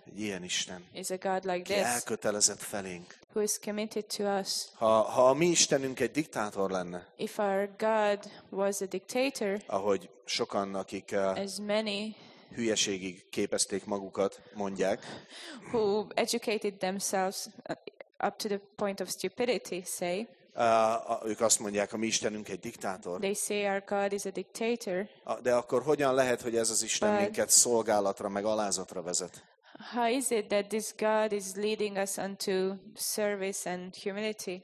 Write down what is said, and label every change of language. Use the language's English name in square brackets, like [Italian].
[Hungarian] Ilyen Isten. [English] Is a God like this. [Hungarian] Ki elkötelezett felénk. [English] Who is committed to us. [Hungarian] Ha a mi Istenünk egy diktátor lenne. [English] If our God was a dictator. [Hungarian] Ahogy sokan, akik [English] as many. [Hungarian] Hülyeségig képezték magukat, mondják. [English] Who educated themselves up to the point of stupidity, say. [Hungarian] Ők azt mondják, a mi Istenünk egy diktátor. [English] They say our God is a dictator. [Hungarian] De akkor hogyan lehet, hogy ez az Isten minket szolgálatra, meg alázatra vezet? [English] How is it that this God is leading us unto service and humility?